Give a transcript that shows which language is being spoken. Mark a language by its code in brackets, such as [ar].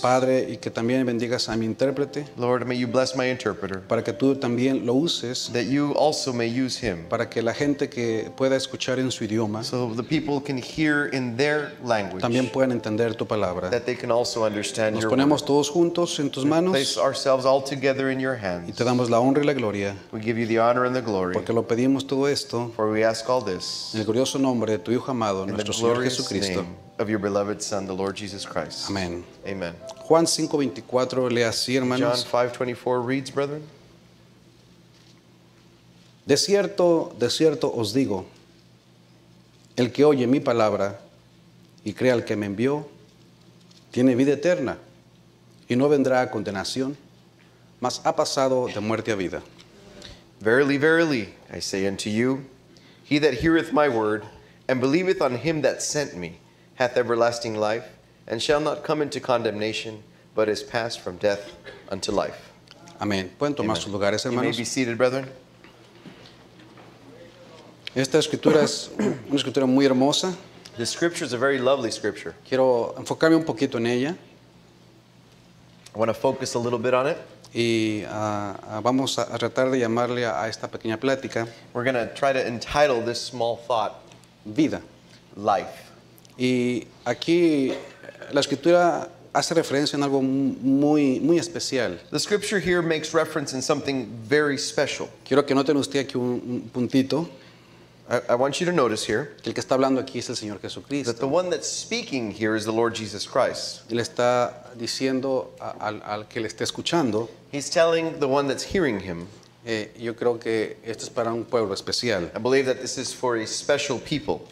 [es] Padre, y que también bendigas a mi intérprete. [en] Lord, may you bless my interpreter. [es] Para que tú también lo uses. [en] That you also may use him. [es] Para que la gente que pueda escuchar en su idioma. [en] So the people can hear in their language. [es] También puedan entender tu palabra. [en] That they can also understand. [es] Nos ponemos todos juntos en tus manos. [en] Place ourselves all together in your hands. [es] Y te damos la honra y la gloria. [en] We give you the honor and the glory. [es] Porque lo pedimos todo esto. [en] For we ask all this. [es] En el glorioso nombre de tu Hijo amado, nuestro Señor Jesucristo. [en] Of your beloved Son, the Lord Jesus Christ. [es] Amén. [en] Amen. [es] Juan 5:24 lee así, hermanos. [en] John 5:24 reads, brethren. [es] De cierto os digo, el que oye mi palabra y cree al que me envió, tiene vida eterna y no vendrá a condenación, mas ha pasado de muerte a vida. [en] Verily, verily, I say unto you, he that heareth my word and believeth on him that sent me hath everlasting life and shall not come into condemnation, but is passed from death unto life. [es] Amén. Pueden tomar Amen. Sus lugares, hermanos. [en] You may be seated, brethren. [es] Esta escritura es una escritura muy hermosa. [en] The scripture is a very lovely scripture. [es] Quiero enfocarme un poquito en ella. [en] I want to focus a little bit on it. [es] Y vamos a tratar de llamarle a esta pequeña plática. [en] We're going to try to entitle this small thought. [es] Vida. [en] Life. [es] Y aquí la escritura hace referencia en algo muy, muy especial. [en] The scripture here makes reference in something very special. [es] Quiero que noten usted aquí un puntito. [en] I want you to notice here [es] que el que está hablando aquí es el Señor Jesucristo. [en] That the one that's speaking here is the Lord Jesus Christ. [es] Él está diciendo al que le está escuchando. [en] He's telling the one that's hearing him. [es] Yo creo que esto es para un pueblo especial. [en] I believe that this is for a special people.